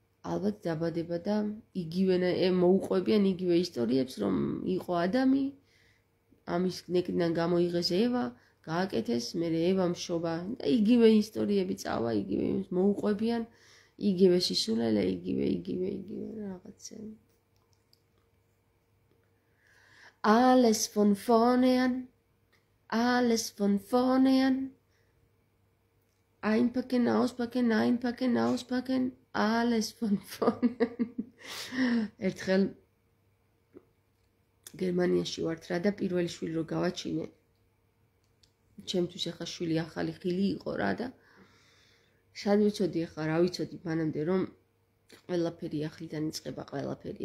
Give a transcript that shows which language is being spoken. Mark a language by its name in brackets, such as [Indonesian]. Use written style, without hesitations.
[Georgian] ალბათ დაბადება და იგივე მოუყვებიან იგივე ისტორიებს, რომ იყო ადამი, ამის ნეკიდან გამოიღეს ევა, გააკეთეს, მე ევა მშობა და იგივე ისტორიები წავა, იგივე მოუყვებიან, იგივე სისულელე, იგივე რაღაცა. [German] Alles von vorne an, alles von vorne an. Einpacken, auspacken, einpacken, auspacken, alles von vorne. [Georgian] ერთხელ გერმანიაში ვართ რა და პირველი შვილი რო გავაჩინე, ჩემთვის ახლა შვილი ახალი ხილი იყო რა და სად ვიცოდი ახლა, რა ვიცოდი მანამდე, რომ ყველაფერი ახლიდან იწყება, ყველაფერი.